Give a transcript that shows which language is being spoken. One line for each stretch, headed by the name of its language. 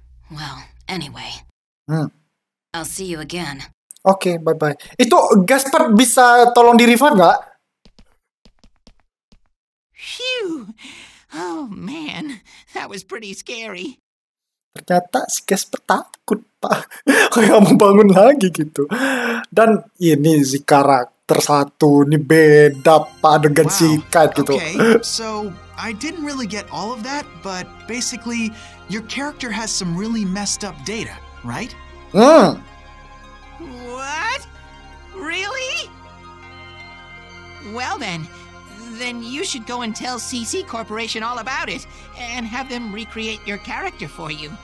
English: Well, anyway. I'll see you again. Okay, bye-bye.
Indonesian: Itu Gaspard bisa tolong di-refund nggak? Phew!
English: Oh man, that was pretty scary.
Indonesian: Ternyata si Casper takut, Pak. Kayak mau bangun lagi gitu. Dan ini si karakter satu ini beda, Pak, dengan wow. Si Kat gitu.
English: Okay. So, I didn't really get all of that, but basically your character has some really messed up data, right? Hmm. What? Really? Well then you should go and tell CC Corporation all about it and have them recreate your character for you.